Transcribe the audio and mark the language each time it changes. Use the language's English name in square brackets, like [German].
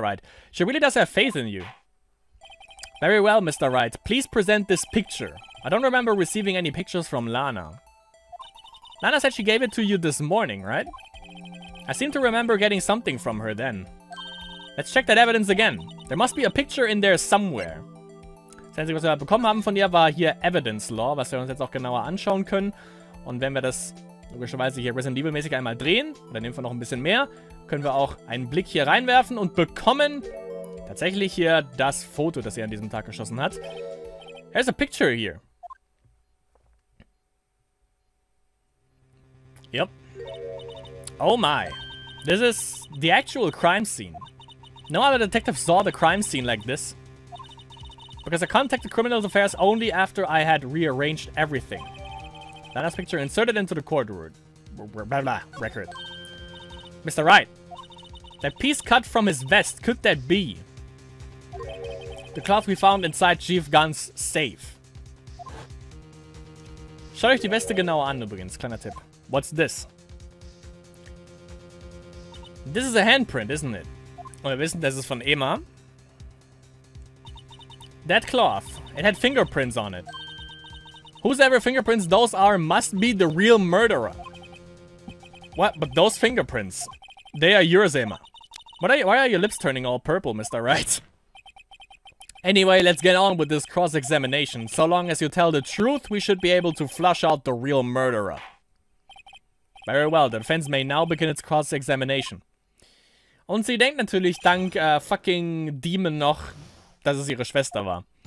[English] Wright, she really does have faith in you. Very well, Mr. Wright. Please present this picture. I don't remember receiving any pictures from Lana. Lana said she gave it to you this morning, right? I seem to remember getting something from her then. Let's check that evidence again. There must be a picture in there somewhere. [German] Sensei, was wir bekommen haben von ihr, war hier Evidence Law, was wir uns jetzt auch genauer anschauen können. Und wenn wir das logischerweise hier Resident Evil-mäßig einmal drehen, oder nehmen wir noch ein bisschen mehr, können wir auch einen Blick hier reinwerfen und bekommen tatsächlich hier das Foto, das sie an diesem Tag geschossen hat. [English] There's a picture here. Yep. Oh my. This is the actual crime scene. No other detective saw the crime scene like this. Because I contacted criminal affairs only after I had rearranged everything. Lana's picture inserted into the court record. Mr. Wright, that piece cut from his vest, could that be? The cloth we found inside Chief Gunn's safe. [German] Schaut euch die Weste genauer an übrigens, kleiner Tipp. [English] What's this? This is a handprint, isn't it? [German] Und wir wissen, das ist von Emma. [English] That cloth, it had fingerprints on it. Whosoever fingerprints those are must be the real murderer. What? But those fingerprints, they are yours, Emma. Why are your lips turning all purple, Mr. Wright? Anyway, let's get on with this cross-examination. So long as you tell the truth, we should be able to flush out the real murderer. Very well, the defense may now begin its cross-examination. [German] Und sie denkt natürlich dank fucking Demon noch, dass es ihre Schwester war.